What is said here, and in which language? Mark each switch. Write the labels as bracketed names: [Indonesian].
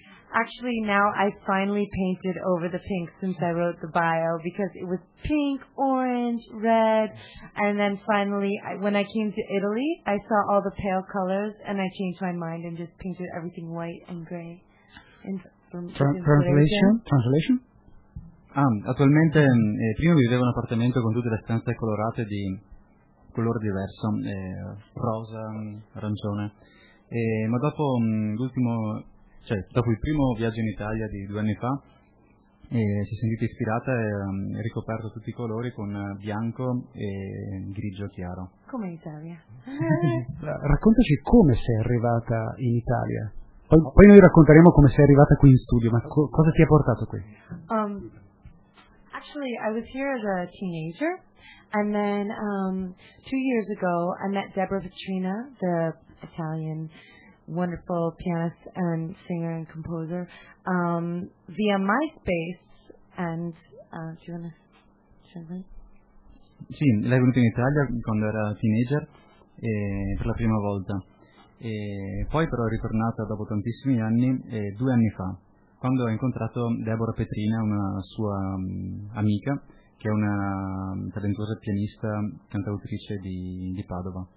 [English] Actually, now I finally painted over the pink since I wrote the bio, because it was pink, orange, red, and then finally, when I came to Italy, I saw all the pale colors, and I changed my mind and just painted everything white and gray. Translation? [Italian] Attualmente, prima vivevo in un appartamento con tutte le stanze colorate di colore diverso, rosa, arancione, ma dopo l'ultimo... Cioè, dopo il primo viaggio in Italia di 2 anni fa, si è sentita ispirata e ha ricoperto tutti i colori con bianco e grigio chiaro. Come in Italia. Raccontaci come sei arrivata in Italia. Poi noi racconteremo come sei arrivata qui in studio, ma cosa ti ha portato qui? [English] Actually, I was here as a teenager, and then 2 years ago I met Deborah Vetrina, the Italian wonderful pianist and singer and composer, via MySpace, and do you want to translate? [Italian] Sì, lei è venuta in Italia quando era teenager, per la prima volta, e poi però è ritornata dopo tantissimi anni, 2 anni fa, quando ha incontrato Deborah Petrina, una sua amica, che è una talentuosa pianista, cantautrice di Padova.